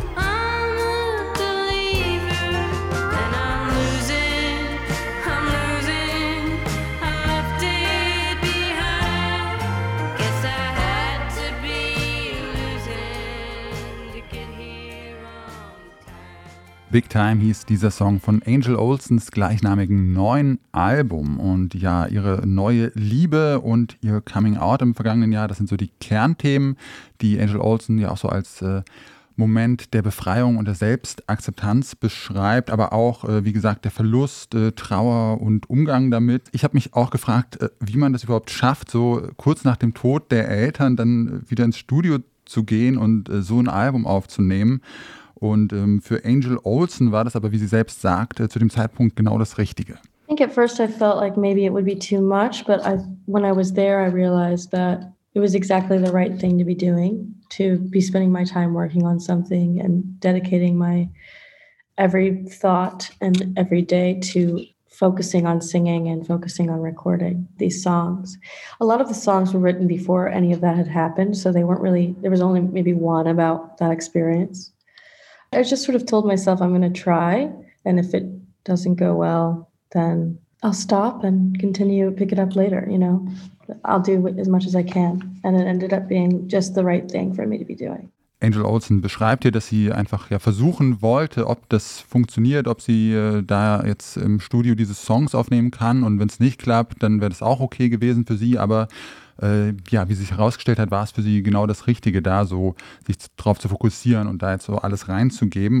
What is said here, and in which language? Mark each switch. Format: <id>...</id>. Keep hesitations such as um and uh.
<en>I'm a believer, and I'm losing. I'm losing. I left it behind. Guess I had to be losing to get here on time.</en> <de>Big Time hieß dieser Song von Angel Olsens gleichnamigen neuen Album. Und ja, ihre neue Liebe und ihr Coming Out im vergangenen Jahr, das sind so die Kernthemen, die Angel Olsen ja auch so als äh, Moment der Befreiung und der Selbstakzeptanz beschreibt, aber auch, äh, wie gesagt, der Verlust, äh, Trauer und Umgang damit. Ich habe mich auch gefragt, äh, wie man das überhaupt schafft, so kurz nach dem Tod der Eltern dann wieder ins Studio zu gehen und äh, so ein Album aufzunehmen. Und ähm, für Angel Olsen war das aber, wie sie selbst sagt, äh, zu dem Zeitpunkt genau das Richtige.</de> <en>I think at first I felt like maybe it would be too much, but I, when I was there, I realized that it was exactly the right thing to be doing to be spending my time working on something and dedicating my every thought and every day to focusing on singing and focusing on recording these songs. A lot of the songs were written before any of that had happened, so they weren't really, there was only maybe one about that experience. I just sort of told myself I'm going to try, and if it doesn't go well, then I'll stop and continue pick it up later, you know. I'll do as much as I can. And it ended up being just the right thing for me to be doing.</en> <de>Angel Olsen beschreibt hier, dass sie einfach ja versuchen wollte, ob das funktioniert, ob sie äh, da jetzt im Studio diese Songs aufnehmen kann. Und wenn es nicht klappt, dann wäre das auch okay gewesen für sie. Aber äh, ja, wie sich herausgestellt hat, war es für sie genau das Richtige, da so sich drauf zu fokussieren und da jetzt so alles reinzugeben.</de>